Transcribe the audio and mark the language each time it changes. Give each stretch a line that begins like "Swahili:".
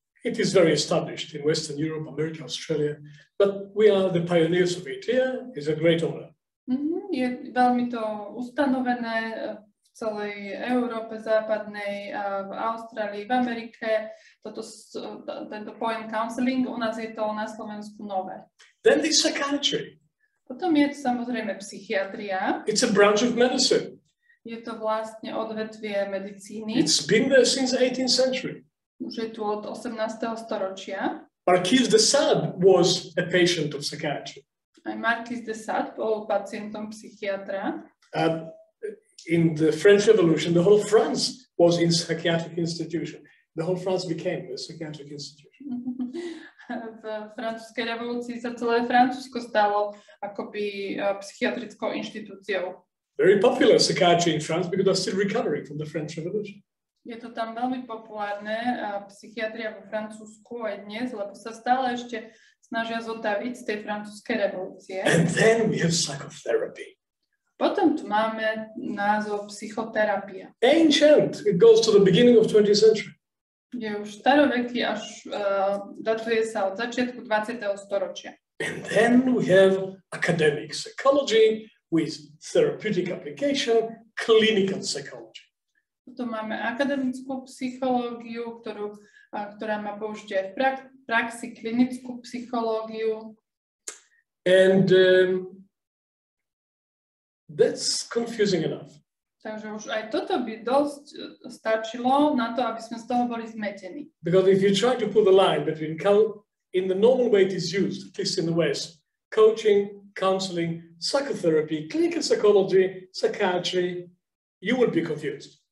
English: It is very established in Western Europe, America, Australia, but we are the pioneers of it here. It's a great honor.
Slovak: Je veľmi to ustanovené v celej Európe západnej, v Austrálii, v Amerike. Tento pojem counseling, u nás je to na Slovensku nové.
English: Then the psychiatry.
Slovak: Potom je to samozrejme psychiatria.
English: It's a branch of medicine.
Slovak: Je to vlastne odvetvie medicíny.
English: It's been there since 18th century.
Slovak: Už je tu od 18. storočia.
English: Marquis de Sade was a patient of psychiatry.
Slovak: Aj Marquis de Sade bol pacientom psychiatra.
English: in the French Revolution, the whole France was in psychiatric institution. The whole France became a psychiatric institution.
Slovak: V francúzskej revolúcii sa celé Francúzsko stalo akoby psychiatrickou inštitúciou.
English: Very popular psychiatry in France because they're still recovering from the French Revolution.
Slovak: Je to tam veľmi populárne, psychiatria vo Francúzsku aj dnes, lebo sa stále ešte snažia zotaviť z tej francúzskej revolúcie.
English: And then we have psychotherapy.
Slovak: Potom tu máme názov psychoterapia.
English: Ancient, it goes to the beginning of 20th century.
Slovak: Je už staroveký, až datuje sa od začiatku 20. storočia.
English: And then we have academic psychology with therapeutic application, clinical psychology.
Slovak: Potom máme akademickú psychológiu, ktorá má použitie aj v praxi, klinickú psychológiu.
English: And that's confusing enough.
Slovak: Takže už aj toto by dosť stačilo na to, aby sme z toho boli zmetení.
English: Because if you try to pull the line between in the normal way it is used, at least in the West, coaching, counseling, psychotherapy, clinical psychology, psychiatry, you would be confused.